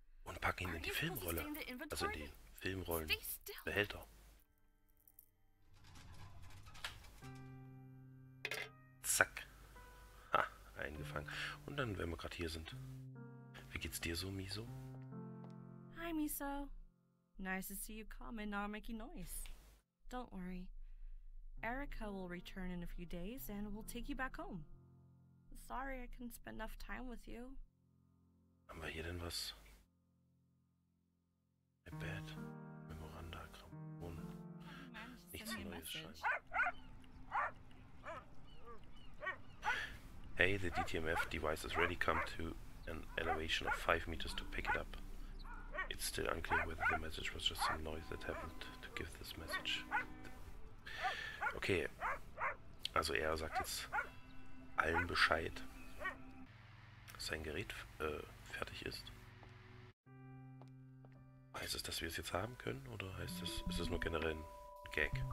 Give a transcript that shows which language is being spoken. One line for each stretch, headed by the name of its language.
German: Und pack ihn in die Filmrolle. Also in die Filmrollenbehälter. Zack. Ha, eingefangen. Und dann, wenn wir gerade hier sind. Wie geht's dir so, Miso?
English: Hi, Miso. Nice to see you come and not make any noise. Don't worry. Erica will return in a few days and we'll take you back home. Sorry I couldn't spend enough time with you.
German: Haben wir hier denn was?
English: I bet. Memoranda,
German: komm. Ohne. Nichts Neues,
English: hey, the DTMF device is ready. Come to an elevation of 5 meters to pick it up. It's still unclear whether the message was just some noise that happened to give this message.
German: Okay, also er sagt jetzt allen Bescheid, dass sein Gerät fertig ist. Heißt es, dass wir es jetzt haben können, oder heißt es, ist es nur generell ein Gag?